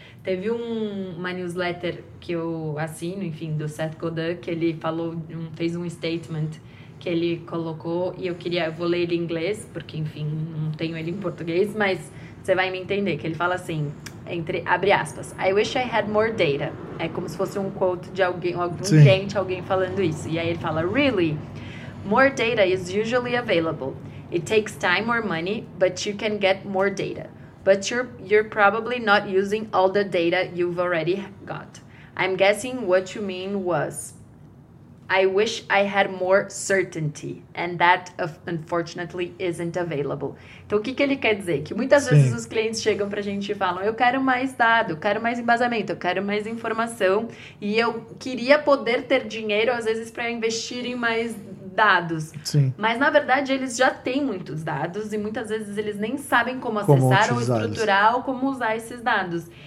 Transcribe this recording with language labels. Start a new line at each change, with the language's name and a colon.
Portuguese: Teve uma newsletter que eu assino, enfim, do Seth Godin, que ele falou, fez um statement que ele colocou e eu vou ler ele em inglês, porque, enfim, não tenho ele em português, mas você vai me entender, que ele fala assim, abre aspas,
English: "I wish I had more data."
Portuguese: É como se fosse um quote de alguém falando isso. E aí ele fala,
English: "Really? More data is usually available. It takes time or money, but you can get more data. But you're probably not using all the data you've already got. I'm guessing what you mean was, I wish I had more certainty, and that, unfortunately, isn't available."
Portuguese: Então, o que, que ele quer dizer? Que muitas vezes os clientes chegam pra gente e falam, eu quero mais dado, eu quero mais embasamento, eu quero mais informação, e eu queria poder ter dinheiro, às vezes, para investir em mais dados. Sim. Mas, na verdade, eles já têm muitos dados, e muitas vezes eles nem sabem como acessar ou estruturar ou como usar esses dados.